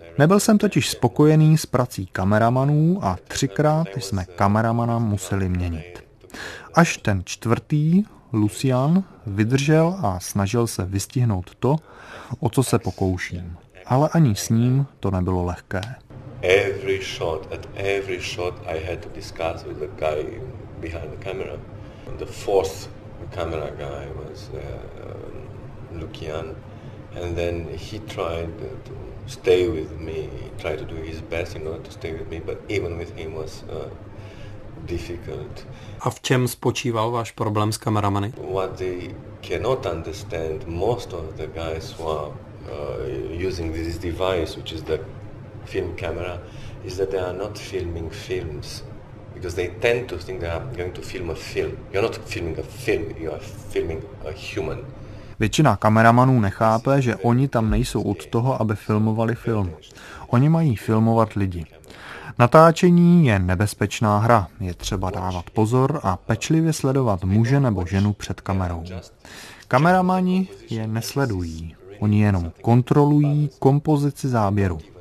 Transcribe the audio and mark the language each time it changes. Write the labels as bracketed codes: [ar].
[cs] Nebyl jsem totiž spokojený s prací kameramanů a třikrát jsme kameramana museli měnit. Až ten čtvrtý, Lucian, vydržel a snažil se vystihnout to, o co se pokouším. Ale ani s ním to nebylo lehké. [en] Every shot I had to discuss with the guy behind the camera. The fourth camera guy was Lucian, and then he tried to stay with me. He tried to do his best in order to stay with me, but even with him was difficult. [cs] A v čem spočíval váš problém s kameramany? [en] What they cannot understand, most of the guys who are using this device, which is the film camera, is that they are not filming films, because they tend to think they are going to film a film. You're not filming a film, you are filming a human. [cs] Většina kameramanů nechápe, že oni tam nejsou od toho, aby filmovali film. Oni mají filmovat lidi. Natáčení je nebezpečná hra. Je třeba dávat pozor a pečlivě sledovat muže nebo ženu před kamerou. Kameramani je nesledují. Oni jenom kontrolují kompozici záběru.